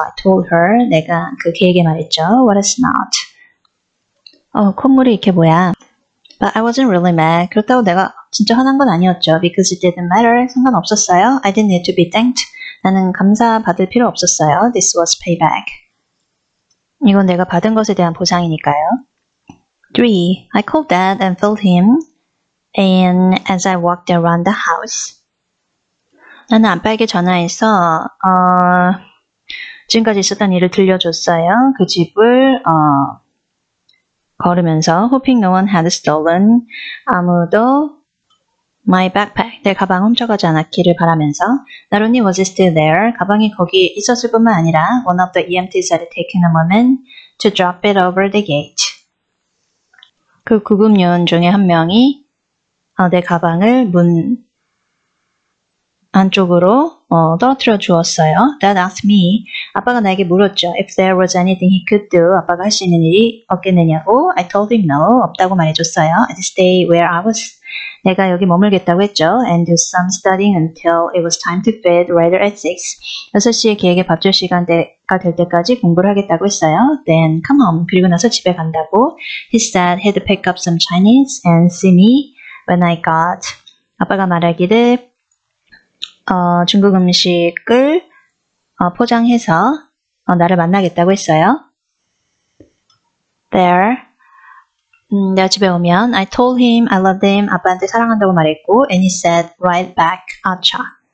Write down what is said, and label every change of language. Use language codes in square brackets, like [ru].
[en] I told her. [ko] 내가 그 개에게 말했죠. [en] What a snot. [ko] 콧물이 이렇게 뭐야. [en] But I wasn't really mad. [ko] 그렇다고 내가 진짜 화난 건 아니었죠. [en] Because it didn't matter. [ko] 상관없었어요. [en] I didn't need to be thanked. [ko] 나는 감사받을 필요 없었어요. [en] This was payback. [ko] 이건 내가 받은 것에 대한 보상이니까요. [en] 3. I called Dad and filled him in as I walked around the house. [ko] 나는 아빠에게 전화해서 지금까지 있었던 일을 들려줬어요. 그 집을 걸으면서 [en] hoping no one had stolen [ko] 아무도 [en] My backpack, [ko] 내 가방 훔쳐가지 않았기를 바라면서 [en] Not only was it still there, [ko] 가방이 거기 있었을 뿐만 아니라 [en] One of the EMTs had taken a moment to drop it over the gate. [ko] 그 구급 요원 중에 한 명이 내 가방을 문 안쪽으로 떨어뜨려 주었어요. [en] Dad asked me, [ko] 아빠가 나에게 물었죠. [en] If there was anything he could do, [ko] 아빠가 할 수 있는 일이 없겠느냐고 [en] I told him no, [ko] 없다고 말해줬어요. [en] I'd stay where I was. [ko] 내가 여기 머물겠다고 했죠. [en] And do some studying until it was time to feed Raider at 6. [ko] 6시에 걔에게 밥 줄 시간대가 될 때까지 공부를 하겠다고 했어요. [en] Then come home. [ko] 그리고 나서 집에 간다고. [en] He said he'd pick up some Chinese and see me when I got. [ko] 아빠가 말하기를 중국 음식을 포장해서 나를 만나겠다고 했어요. [en] There. [ko] 내가 집에 오면 [en] I told him I loved him [ko] 아빠한테 사랑한다고 말했고 [en] and he said right back atcha